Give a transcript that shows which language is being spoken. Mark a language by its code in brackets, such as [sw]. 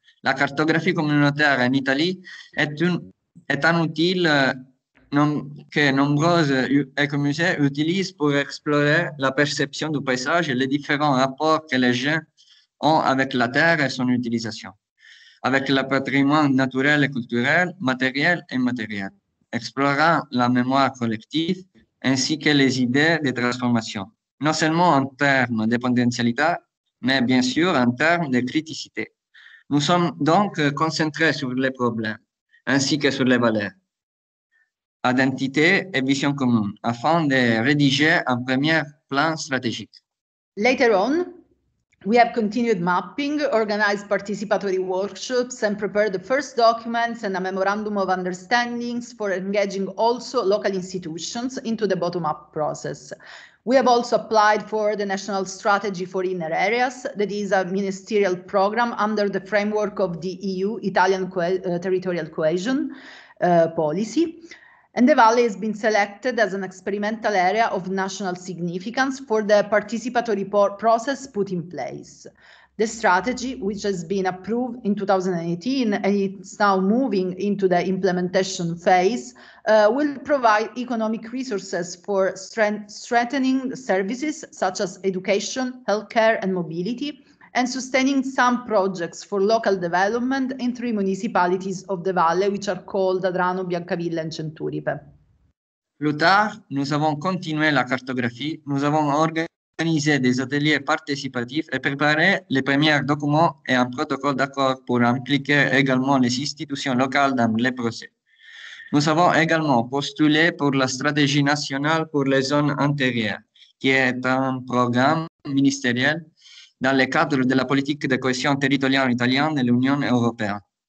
[fr] La cartographie communautaire en Italie est un outil que nombreux écomusées utilisent pour explorer la perception du paysage et les différents rapports que les gens ont avec la terre et son utilisation, avec le patrimoine naturel et culturel, matériel et immatériel, explorant la mémoire collective ainsi que les idées de transformation, non seulement en termes de potentialité, mais bien sûr en termes de criticité. Nous sommes donc concentrés sur les problèmes ainsi que sur les valeurs, identité et vision commune, afin de rédiger un premier plan stratégique. [en] Later on, we have continued mapping, organized participatory workshops, and prepared the first documents and a memorandum of understandings for engaging also local institutions into the bottom-up process. We have also applied for the National Strategy for Inner Areas, that is a ministerial program under the framework of the EU-Italian territorial cohesion policy. And the valley has been selected as an experimental area of national significance for the participatory process put in place. The strategy, which has been approved in 2018 and it's now moving into the implementation phase, will provide economic resources for strengthening services such as education, healthcare, and mobility, and sustaining some projects for local development in three municipalities of the valley, which are called Adrano, Biancavilla and Centuripe. [fr] Plus tard, nous avons continué la cartographie, nous avons organisé des ateliers participatifs et préparé les premiers documents et un protocole d'accord pour impliquer également les institutions locales dans les procès. Nous avons également postulé pour la stratégie nationale pour les zones intérieures, qui est un programme ministériel dans le cadre de la politique de cohésion territoriale italienne de l'Union européenne.